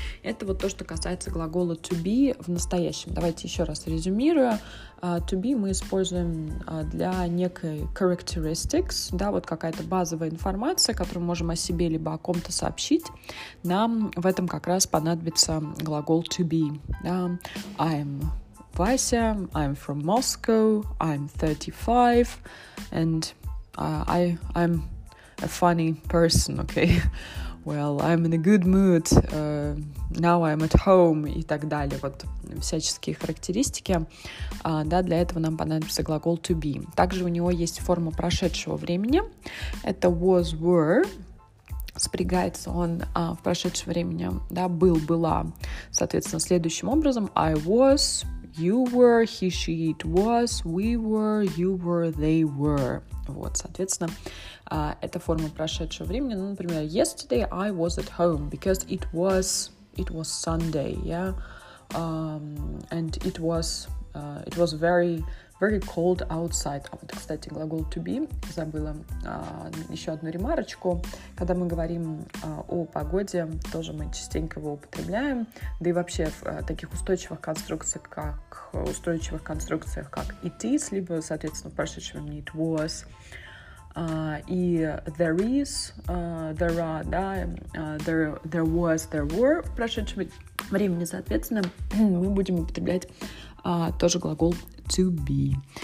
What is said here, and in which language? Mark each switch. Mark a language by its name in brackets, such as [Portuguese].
[Russian] Это вот то, что касается глагола to be в настоящем. Давайте еще раз резюмируя. To be мы используем для некой characteristics, да, вот какая-то базовая информация, которую можем о себе либо о ком-то сообщить. Нам в этом как раз понадобится глагол to be. [English] I'm Vasya, I'm from Moscow, I'm 35, and I'm a funny person, okay? well, I'm in a good mood, now I'm at home [Russian] и так далее. Вот всяческие характеристики. Да, для этого нам понадобится глагол to be. Также у него есть форма прошедшего времени. Это was, were. Спрягается он в прошедшем времени, да, был, была, соответственно, следующим образом: [English] I was, you were, he, she, it was, we were, you were, they were. [Russian] Вот, соответственно, это форма прошедшего времени. Ну, например, [English] yesterday I was at home because it was Sunday, yeah, and it was very very cold outside. [Russian] А вот, кстати, глагол to be, забыла еще одну ремарочку. Когда мы говорим о погоде, тоже мы частенько его употребляем. Да и вообще в таких устойчивых конструкциях, как it is, либо, соответственно, в прошедшем времени it was, и [English] there is, there are, [Russian] да, [English] there was, there were [Russian] в прошедшем времени, соответственно, мы будем употреблять тоже глагол to be.